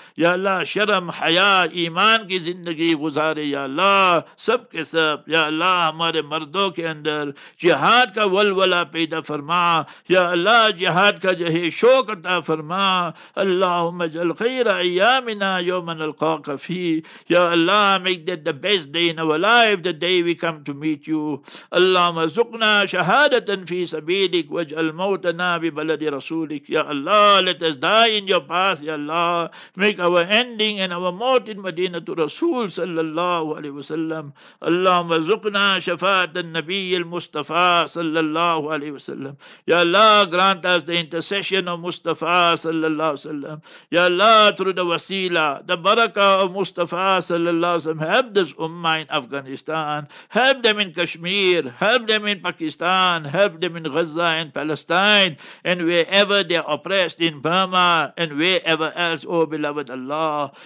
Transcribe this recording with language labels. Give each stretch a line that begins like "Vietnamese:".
Urdu: یا اللہ شرم حیا ایمان کی زندگی گزارے یا اللہ سب کے سب. یا اللہ ہمارے مردوں کے اندر جہاد کا ولولہ پیدا فرما, یا اللہ جہاد کا جو ہے شوق عطا فرما.
Arabic: اللہم اجعل خیر ایامنا یوم نلقاک فی.
English: یا اللہ make that the best day in our life the day we come to meet you.
Arabic: اللهم ارزقنا شهادة في سبيلك واجعل موتنا ببلد رسولك.
English: يا الله let us die in your path. يا الله make our ending and our mort in
Arabic: مدينة رسول صلى الله عليه وسلم. اللهم ارزقنا شفاعة النبي المصطفى صلى الله عليه وسلم.
English: يا الله grant us the intercession of مصطفى
Arabic: صلى الله عليه وسلم.
English: يا الله through the wasila the baraka of مصطفى
Arabic: صلى الله عليه وسلم
English: help this ummah in Afghanistan, help them in Kashmir, help them in Pakistan, help them in Gaza and Palestine, and wherever they are oppressed in Burma and wherever else, O beloved Allah.